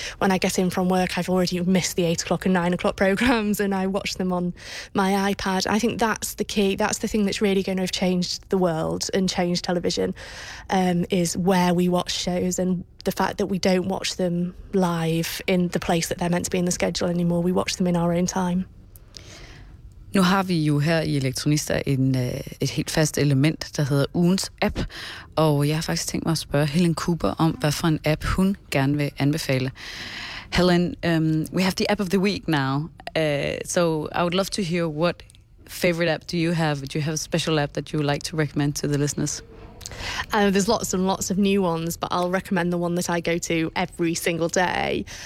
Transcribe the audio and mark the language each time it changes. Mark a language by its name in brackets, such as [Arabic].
[English] When I get in from work, I've already missed the 8 o'clock and 9 o'clock programmes, and I watch them on my iPad. I think that's the key. That's the thing that's really going to have changed the world and change television, is where we watch shows and the fact that we don't watch them live in the place that they're meant to be in the schedule anymore. We watch them in our own time. [Danish] Nu har vi jo her i Elektronista et helt fast element, der hedder ugens app, og jeg har faktisk tænkt mig at spørge Helen Cooper om, hvad for en app hun gerne vil anbefale. [English] Helen, we have the app of the week now, so I would love to hear what favorite app do you have? Do you have a special app that you would like to recommend to the listeners? There's lots and lots of new ones, but I'll recommend the one that I go to every single day.